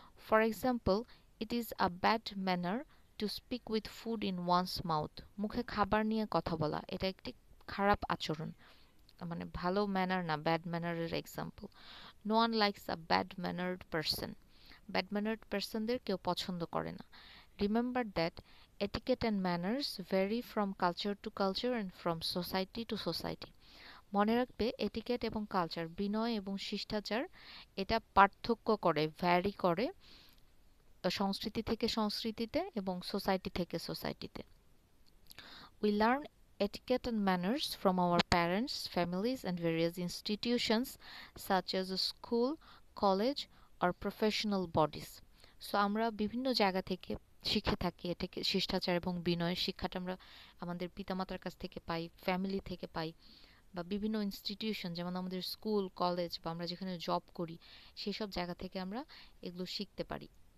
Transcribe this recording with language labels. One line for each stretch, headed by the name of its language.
English: for example it is a bad manner to speak with food in one's mouth,
Bangla: মুখে খাবার নিয়ে কথা বলা এটা একটি খারাপ আচরণ, মানে ভালো ম্যানার না, bad ম্যানারের example.
English: no one likes a
Bangla: bad ম্যানার্ড person, bad ম্যানার্ড পার্সনদের কেউ পছন্দ করে না।
English: Remember that etiquette and manners vary from culture to culture and from society to society.
Bangla: মনে রাখবে এটিকেট এবং কালচার বিনয় এবং শিষ্টাচার এটা পার্থক্য করে ভ্যারি করে সংস্কৃতি থেকে সংস্কৃতিতে এবং সোসাইটি থেকে সোসাইটিতে
English: we learn etiquette and manners from our parents families and various institutions such as a school college or professional bodies
Bangla: so আমরা বিভিন্ন জায়গা থেকে শিখে থাকি এটাকে শিষ্টাচার এবং বিনয়ের শিক্ষাটা আমরা আমাদের পিতামাতার কাছ থেকে পাই ফ্যামিলি থেকে পাই বা বিভিন্ন ইনস্টিটিউশন যেমন আমাদের স্কুল কলেজ বা আমরা যেখানে জব করি সেসব জায়গা থেকে আমরা এগুলো শিখতে পারি